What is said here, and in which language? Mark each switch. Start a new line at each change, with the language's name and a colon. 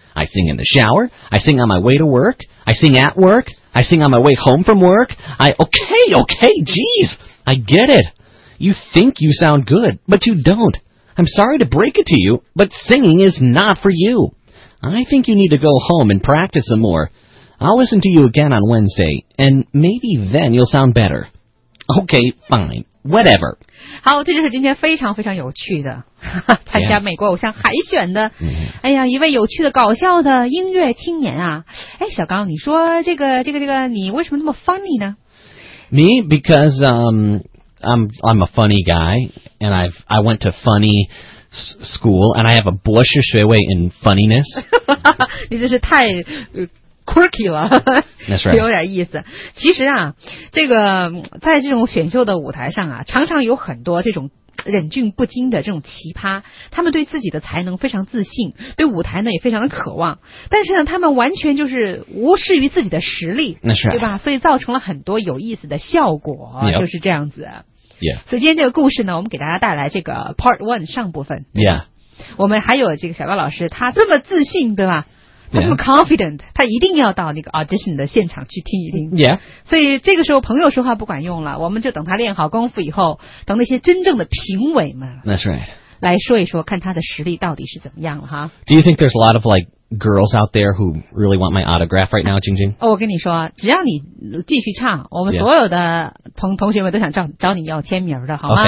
English: I sing in the shower, I sing on my way to work, I sing at work, I sing on my way home from work, okay, geez, I get it. You think you sound good, but you don't. I'm sorry to break it to you, but singing is not for you. I think you need to go home and practice some more. I'll listen to you again on Wednesday, and maybe then you'll sound better. Okay, fine. Whatever.
Chinese: 好，这就是今天非常非常有趣的参加美国偶像海选的、
English: yeah.
Chinese: 哎呀，一位有趣的搞笑的音乐青年啊。哎，小刚，你说这个你为什么那么 funny 呢？
English: Me? Because I'm a funny guy, and I went to funny school, and I have a
Chinese: 博士学位
English: in funniness.
Chinese: 你这是太quirky 了
English: That's right.
Chinese: 有点意思。其实啊，这个在这种选秀的舞台上啊，常常有很多这种忍俊不禁的这种奇葩，他们对自己的才能非常自信，对舞台呢也非常的渴望，但是呢他们完全就是无视于自己的实力，那是、啊、对吧，所以造成了很多有意思的效果、
English: yep.
Chinese: 就是这样子、
English: yeah.
Chinese: 所以今天这个故事呢，我们给大家带来这个
English: part one
Chinese: 上部分、
English: yeah.
Chinese: 我们还有这个小高老师，他这么自信对吧，他这么 confident、
English: yeah.
Chinese: 他一定要到那个 audition 的现场去听一听、
English: yeah.
Chinese: 所以这个时候朋友说话不管用了，我们就等他练好功夫以后，等那些真正的评委们
English: That's right.
Chinese: 来说一说看他的实力到底是怎么样了哈。
English: Do you think there's a lot of like girls out there who really want my autograph right now, Jingjing?
Chinese: 我跟你说，只要你继续唱，我们所有的同学们都想找你要签名的好吗？